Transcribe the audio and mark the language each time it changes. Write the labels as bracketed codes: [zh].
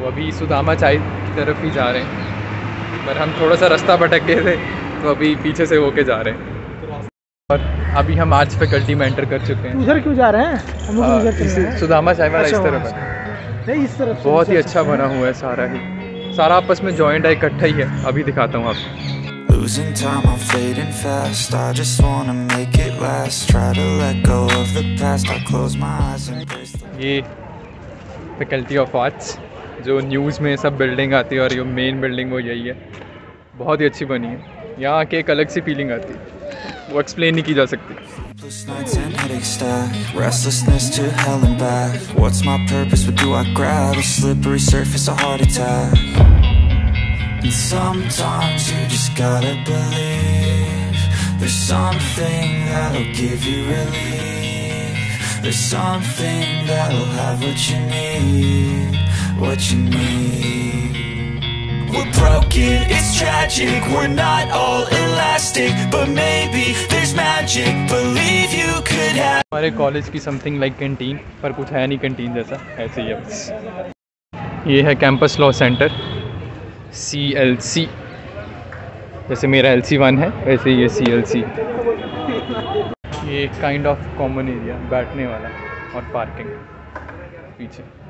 [hi] तो अभी सुदामा चाय की तरफ ही जा रहे हैं, पर हम थोड़ा सा रास्ता भटक गए थे तो अभी पीछे से होके जा रहे हैं। और अभी हम आज फैकल्टी में एंटर कर चुके हैं। उधर क्यों जा रहे हैं? हम उधर सुदामा चाय वाला इस तरफ है, नहीं इस तरफ। बहुत ही अच्छा बना हुआ है सारा ही, सारा आपस में जॉइंट है, इकट्ठा ही है। अभी दिखाता हूँ आपको। [en] Losing time, I'm fading fast. I just wanna make it last. Try to let go of the past. I close my eyes and embrace the. [hi] ये फैकल्टी ऑफ आर्ट्स, जो न्यूज़ में सब बिल्डिंग आती है और ये मेन बिल्डिंग वो यही है, बहुत ही अच्छी बनी है। यहाँ आके एक अलग सी फीलिंग आती है, वो एक्सप्लेन नहीं की जा सकती। [en] Restlessness to hell and back. What's my purpose? What do I grab? A slippery surface, a heart attack. Sometimes you just gotta believe there's something that'll give you relief. There's something that'll have what you need. What you need. We're broken, it's tragic. We're not all elastic, but maybe there's magic. Believe you could have. [hi] हमारे college की [en] something like [hi] canteen, पर कुछ है नहीं canteen जैसा, ऐसे ही है बस। ये है कैंपस लॉ सेंटर CLC, जैसे मेरा LC1 है वैसे ही ये CLC। ये [en] kind of common area [hi] बैठने वाला और पार्किंग पीछे।